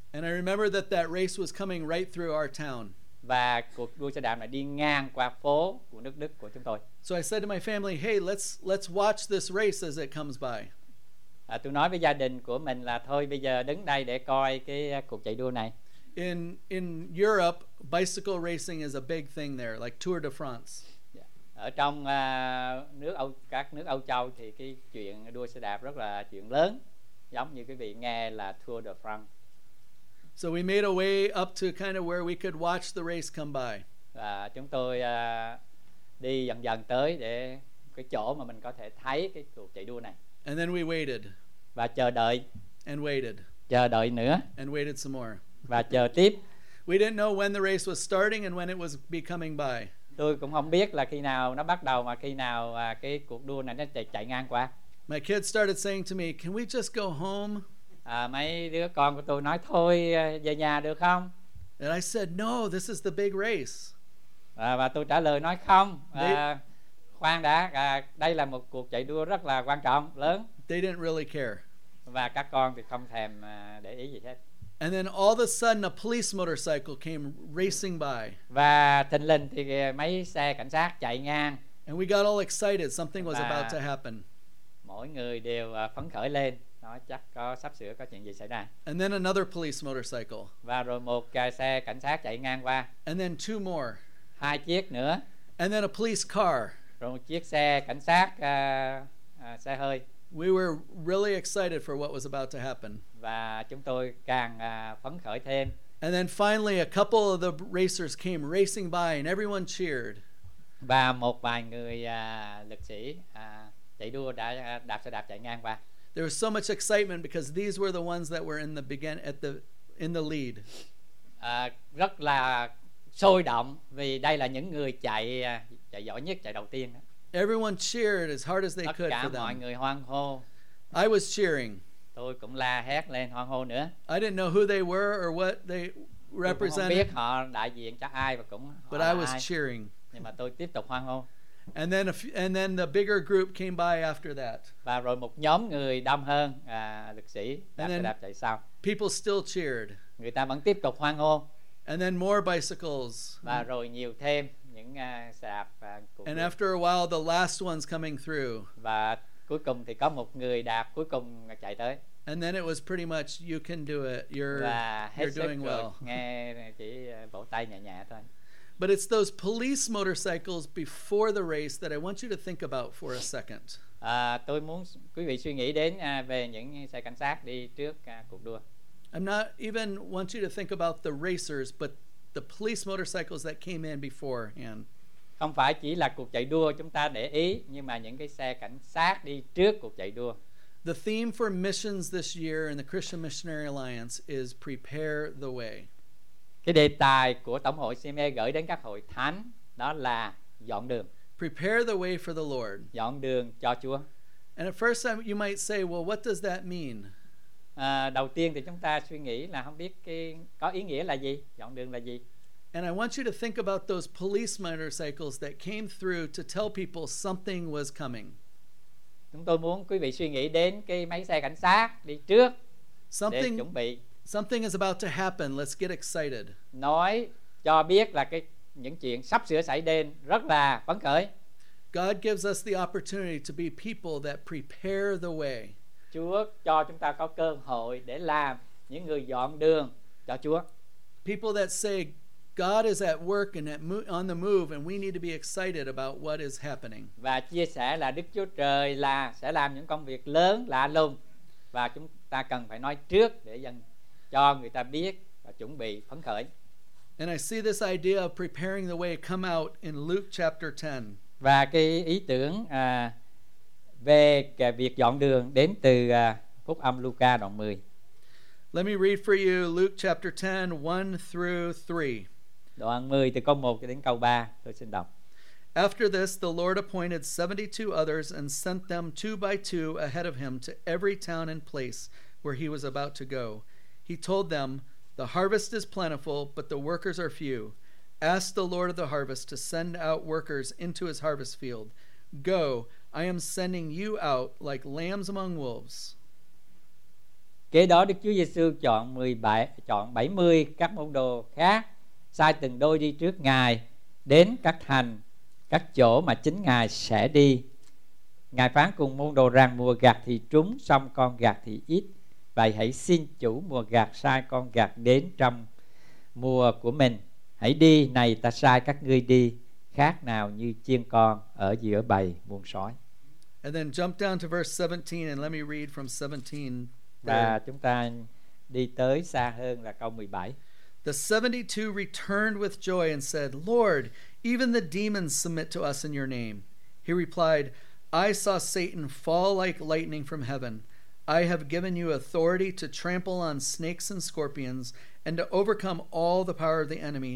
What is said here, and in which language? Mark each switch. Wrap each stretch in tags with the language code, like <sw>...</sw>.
<en>And I remember that that race was coming right through our town.</en> <vi>Và cuộc đua xe đạp này đi ngang qua phố của nước Đức của chúng tôi.</vi> <en>So I said to my family, hey, let's watch this race as it comes by.</en> <vi>Tôi nói với gia đình của mình là thôi bây giờ đứng đây để coi cái cuộc chạy đua này.</vi> <en>In Europe, bicycle racing is a big thing there, like Tour de France.</en> <vi>Ở trong các nước Âu Châu thì cái chuyện đua xe đạp rất là chuyện lớn, giống như quý vị nghe là Tour de France.</vi> <en>So we made a way up to kind of where we could watch the race come by.</en> <vi>Và chúng tôi đi dần dần tới để cái chỗ mà mình có thể thấy cái cuộc chạy đua này.</vi> <en>And then we waited.</en> <vi>Và chờ đợi.</vi> <en>And waited.</en> <vi>Chờ đợi nữa.</vi> <en>And waited some more.</en> <vi>Và chờ tiếp.</vi> <en>We didn't know when the race was starting and when it was becoming by.</en> <vi>Tôi cũng không biết là khi nào nó bắt đầu mà khi nào cái cuộc đua này nó chạy ngang qua.</vi> <en>My kids started saying to me, "Can we just go home?"</en> <vi>Mấy đứa con của tôi nói thôi về nhà được không?</vi> <en>And I said, "No, this is the big race."</en> <vi>Và tôi trả lời nói không. Khoan đã, đây là một cuộc chạy đua rất là quan trọng, lớn.</vi> <en>They didn't really care.</en> <vi>Và các con thì không thèm để ý gì hết.</vi> <en>And then all of a sudden a police motorcycle came racing by.</en> <vi>Và thình lình thì mấy xe cảnh sát chạy ngang.</vi> <en>And we got all excited, something was about to happen.</en> <vi>Mỗi người đều phấn khởi lên, nói chắc có sắp sửa có chuyện gì xảy ra.</vi> <en>And then another police motorcycle.</en> <vi>Và rồi một xe cảnh sát chạy ngang qua.</vi> <en>And then two more.</en> <vi>Hai chiếc nữa.</vi> <en>And then a police car.</en> <vi>Rồi một chiếc xe cảnh sát xe hơi.</vi> <en>We were really excited for what was about to happen.</en> <vi>Và chúng tôi càng phấn khởi thêm.</vi> <en>And then finally a couple of the racers came racing by and everyone cheered.</en> <vi>Và một vài người lực sĩ chạy đua đã đạp xe đạp chạy ngang qua.</vi> <en>There was so much excitement because these were the ones that were in the lead.</en> <vi>Rất là sôi động vì đây là những người chạy giỏi nhất, chạy đầu tiên.</vi> <en>Everyone cheered as hard as they could for them.</en> <vi>Mọi người hoan hô.</vi> <en>I was cheering.</en> <vi>Tôi cũng la hét lên hoan hô nữa.</vi> <en>I didn't know who they were or what they represented.</en> <vi>Tôi không biết họ đại diện cho ai và cũng</vi> <en>But I was cheering.</en> <vi>Nhưng mà tôi tiếp tục hoan hô.</vi> <en>And then the bigger group came by after that.</en> <vi>Và rồi một nhóm người đông hơn, lực sĩ đạp xe đạp chạy sau.</vi> <en>People still cheered.</en> <vi>Người ta vẫn tiếp tục hoan hô.</vi> <en>And then more bicycles.</en> <vi>Và rồi nhiều thêm những xe đạp.</vi> <en>And after a while the last one's coming through.</en> <vi>Và cuối cùng thì có một người đạp cuối cùng chạy tới.</vi> <en>And then it was pretty much you can do it. You're doing well.</en> <vi>Nghe chỉ vỗ tay nhẹ nhẹ thôi.</vi> <en>But it's those police motorcycles before the race that I want you to think about for a second.</en> <vi>Tôi muốn quý vị suy nghĩ đến về những xe cảnh sát đi trước cuộc đua.</vi> <en>I'm not even want you to think about the racers, but the police motorcycles that came in beforehand.</en> <vi>Không phải chỉ là cuộc chạy đua chúng ta để ý, nhưng mà những cái xe cảnh sát đi trước cuộc chạy đua.</vi> <en>The theme for missions this year in the Christian Missionary Alliance is prepare the way.</en> <vi>Cái đề tài của Tổng hội CME gửi đến các hội thánh đó là dọn đường.</vi> <en>Prepare the way for the Lord.</en> <vi>Dọn đường cho Chúa.</vi> <en>And at first you might say, well, what does that mean?</en> <vi>Đầu tiên thì chúng ta suy nghĩ là không biết cái có ý nghĩa là gì, dọn đường là gì.</vi> <en>And I want you to think about those police motorcycles that came through to tell people something was coming.</en> <vi>Chúng tôi muốn quý vị suy nghĩ đến cái máy xe cảnh sát đi trước</vi> <en>something,</en> <vi>để chuẩn bị.</vi> <en>Something is about to happen. Let's get excited.</en> <vi>Nói cho biết là cái những chuyện sắp sửa xảy đến rất là phấn khởi.</vi> <en>God gives us the opportunity to be people that prepare the way.</en> <vi>Chúa cho chúng ta có cơ hội để làm những người dọn đường cho Chúa.</vi> <en>People that say God is at work and at on the move and we need to be excited about what is happening.</en> <vi>Và chia sẻ là Đức Chúa Trời là sẽ làm những công việc lớn lạ lùng và chúng ta cần phải nói trước để dân cho người ta biết và chuẩn bị phấn khởi.</vi> <en>And I see this idea of preparing the way come out in Luke chapter 10.</en> <vi>Và cái ý tưởng về việc dọn đường đến từ Phúc âm Luca đoạn 10.</vi> <en>Let me read for you Luke chapter 10, 1 through 3.</en> <vi>Đoạn 10 từ câu 1 đến câu 3, tôi xin đọc.</vi> <en>After this, the Lord appointed 72 others and sent them two by two ahead of him to every town and place where he was about to go. He told them, "The harvest is plentiful, but the workers are few. Ask the Lord of the harvest to send out workers into his harvest field. Go, I am sending you out like lambs among wolves."</en> <vi>Kế đó Đức Chúa Giêsu chọn 70 các môn đồ khác, sai từng đôi đi trước Ngài đến các thành, các chỗ mà chính Ngài sẽ đi. Ngài phán cùng môn đồ rằng mùa gặt thì trúng, xong con gặt thì ít. Vậy hãy xin chủ mùa gặt sai con gặt đến trong mùa của mình. Hãy đi, này ta sai các ngươi đi, khác nào như chiên con ở giữa bầy muôn sói.</vi> <en>And then jump down to verse 17 and let me read from 17.</en> <vi>Và chúng ta đi tới xa hơn là câu 17.</vi> <en>The 72 returned with joy and said, "Lord, even the demons submit to us in your name." He replied, "I saw Satan fall like lightning from heaven. I have given you authority to trample on snakes and scorpions and to overcome all the power of the enemy.</en>